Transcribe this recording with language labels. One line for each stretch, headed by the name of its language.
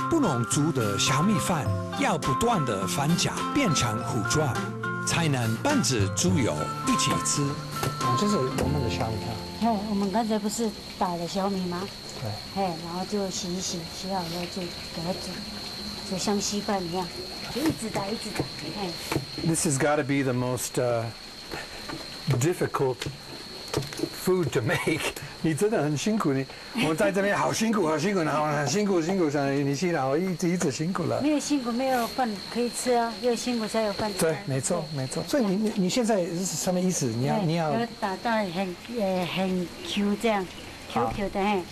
Chinese: 布农族的小米饭要不断的翻搅变成糊状，才能拌着猪油一起吃。这是我们的小米饭。我们刚才不是打了小米吗？对。然后就洗一洗，洗好了就给它煮，就像稀饭一样，就一直打一直打。
English: This has got to be the most difficult food to make。
Chinese: 你真的很辛苦，你我在这边好辛苦，好辛苦，然后很辛苦，辛苦，辛苦，你辛劳一直辛苦了。没有辛苦，没有饭可以吃啊，又辛苦才有饭吃。对，没错，没错。所以你现在是什么意思？你要打到很 Q 这样 ，Q Q 的嘿，